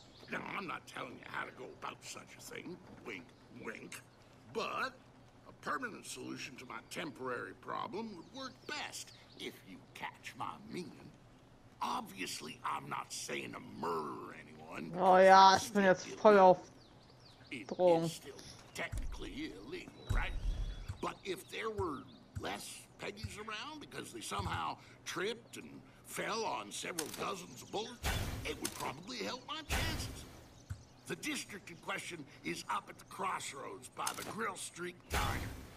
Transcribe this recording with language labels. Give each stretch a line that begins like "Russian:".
English: Now, I'm not telling you how to go about such a thing, wink, wink, but a permanent solution to my temporary problem would work best. If you catch my meaning, obviously I'm not saying to murder anyone.
German: Oh ja, ich bin jetzt voll auf Drogen.
English: It's still technically illegal, right? But if there were less Peggies around because they somehow tripped and fell on several dozens of bullets, it would probably help my chances. The district in question is up at the crossroads by the Grill Street Diner.